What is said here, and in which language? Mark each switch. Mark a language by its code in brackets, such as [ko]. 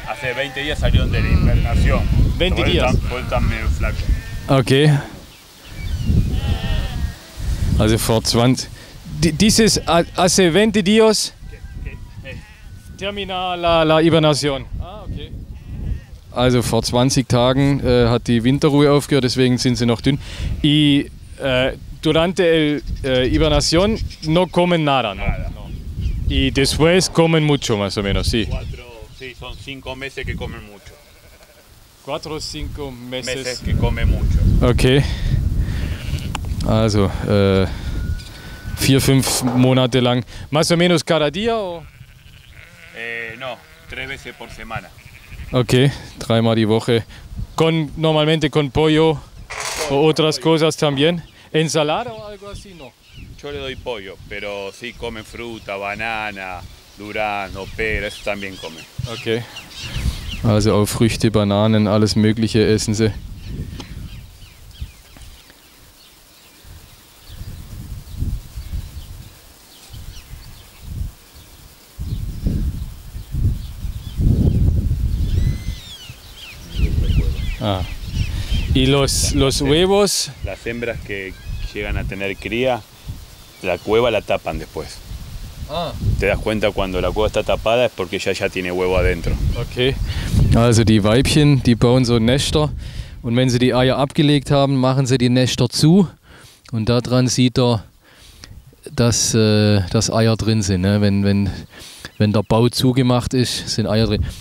[es] Hace 20 días salieron de la invernación. 20 días. Por eso están medio flacos. Ok. [de] Also vor 20... [es] Dices hace 20 días... Termina la invernación. Ah, ok. [de] Also vor 20 Tagen hat die Winterruhe aufgehört, deswegen sind sie noch dünn. [es] Y... durante la hibernación no comen nada, ¿no? Nada, ¿no? Y después comen mucho, más o menos, sí. Son 5 meses que comen mucho. 4 o 5 meses que comen mucho. [de] Ok. Also, 4 o 5 Monate lang. [es] ¿Más o menos cada día o...? No, 3 veces por semana. Ok, 3 veces por semana. Normalmente con pollo o otras cosas también. ¿Ensalada o algo así? No. Yo le doy pollo, pero sí comen fruta, banana, durazno, pera, eso también comen. Ok. [de] Also auch Früchte, Bananen, alles Mögliche essen sie. [es] Ah. ¿Y los huevos? Las hembras que... llegan a tener cría, la cueva la tapan después. Ah. Te das cuenta cuando la cueva está tapada es porque ya tiene huevo adentro. Ok. [de] Also die Weibchen, die bauen so Nester und wenn sie die Eier abgelegt haben, machen sie die Nester zu und da dran sieht er, dass das Eier drin sind. Ne? Wenn der Bau zugemacht ist, sind Eier drin.